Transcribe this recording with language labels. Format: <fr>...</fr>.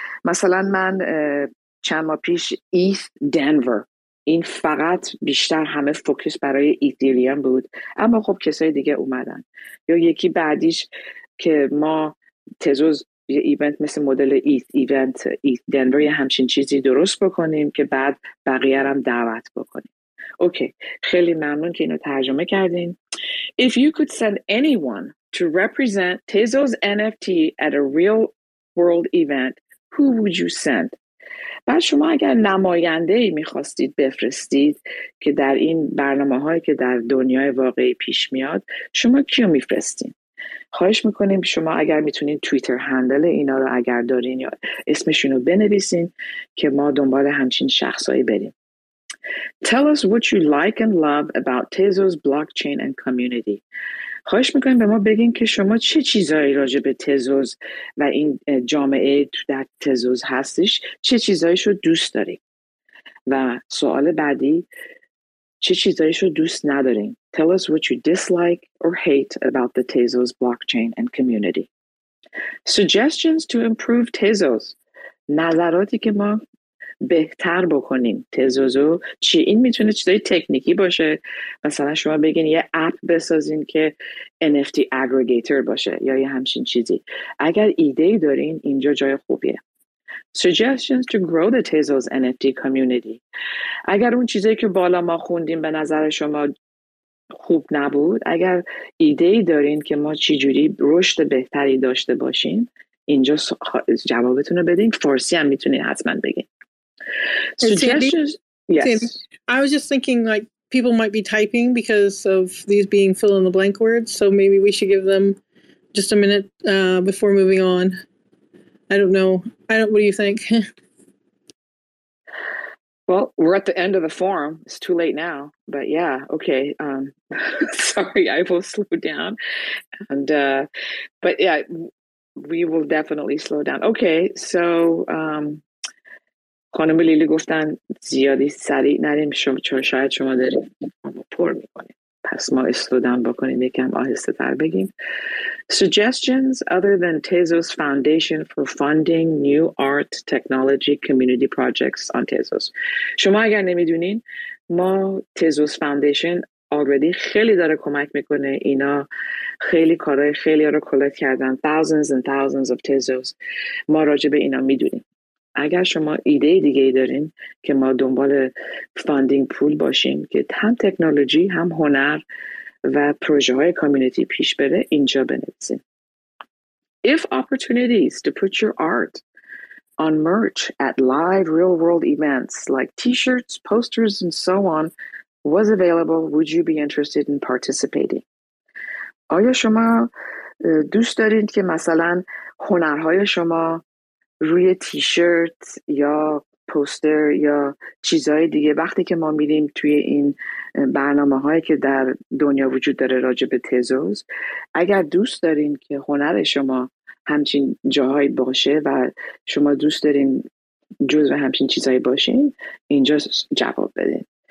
<fa>مثلا من چند ماه پیش ETH Denver این فقط بیشتر همه فوکس برای ایتیریوم بود اما خب کسای دیگه اومدن. یا یکی بعدیش که ما تزوس یه ایونت مثل مدل ایت ایونت ایت دنور یه همچین چیزی درست بکنیم که بعد بقیه رو هم دعوت بکنیم. اوکی خیلی ممنون که اینو ترجمه کردین.</fa> <en>If you could send anyone to represent Tezos NFT at a real world event, who would you send?</en> <fa>بعد شما اگر نماینده‌ای می‌خواستید بفرستید که در این برنامه‌هایی که در دنیای واقعی پیش میاد شما کیو می‌فرستین؟ خواهش می‌کنیم شما اگر می‌تونید توییتر هندل اینا رو اگر دارین یا اسمشون رو بنویسین که ما دنبال همچین شخصایی بریم.</fa> <en>Tell us what you like and love about Tezos blockchain and community.</en> <fa>خواهش میکنیم به ما بگین که شما چه چیزایی راجع به تزوس و این جامعه در تزوس هستش چه چیزایش رو دوست داریم و سوال بعدی چه چیزایش رو دوست نداریم.</fa> <en>Tell us what you dislike or hate about the Tezos blockchain and community. Suggestions to improve Tezos.</en> <fa>نظراتی که ما بهتر بکنیم تزوزو چی؟ این میتونه چیزای تکنیکی باشه مثلا شما بگین یه اپ بسازین که NFT aggregator باشه یا یه همچین چیزی. اگر ایدهی دارین اینجا جای خوبیه.</fa> <en>Suggestions to grow the Tezos NFT community.</en> <fa>اگر اون چیزایی که بالا ما خوندیم به نظر شما خوب نبود اگر ایدهی دارین که ما چجوری رشد بهتری داشته باشیم اینجا جوابتون رو بدین. فارسی هم میتونین حتما بگین.</fa> <en>Yes. I was just thinking like people might be typing because of these being fill in the blank words, so maybe we should give them just a minute before moving on. I don't know. I don't, what do you think? Well, we're at the end of the forum. It's too late now, but yeah, okay. sorry, I will slow down. And but yeah, we will definitely slow down.</en> <fa>Okay, so خانم لیلی گفتن زیادی سریع نریم شما چون شاید شما داریم پر میکنیم. پس ما استودن بکنیم یکم آهسته تر بگیم.</fa> <en>Suggestions other than Tezos Foundation for funding new art technology community projects on Tezos.</en> <fa>شما اگر نمیدونین ما Tezos Foundation already خیلی داره کمک میکنه. اینا خیلی کارهای خیلی ها رو کلکت کردن.</fa> <en>Thousands and thousands of Tezos.</en> <fa>ما راجع به اینا میدونیم. اگر شما ایده دیگه ای دارین که ما دنبال فاندینگ پول باشیم که هم تکنولوژی هم هنر و پروژه های کامیونیتی پیش بره اینجا بنویسین.</fa> <en>If opportunities to put your art on merch at live real world events like t-shirts, posters and so on was available, would you be interested in participating?</en> <fa>آیا شما دوست دارین که مثلا هنرهای شما روی تیشرت یا پوستر یا چیزهای دیگه وقتی که ما میریم توی این برنامه هایی که در دنیا وجود داره راجع به تزوز اگر دوست دارین که هنر شما همچین جاهایی باشه و شما دوست دارین جزء همچین چیزهایی باشین اینجا جواب بدین.</fa>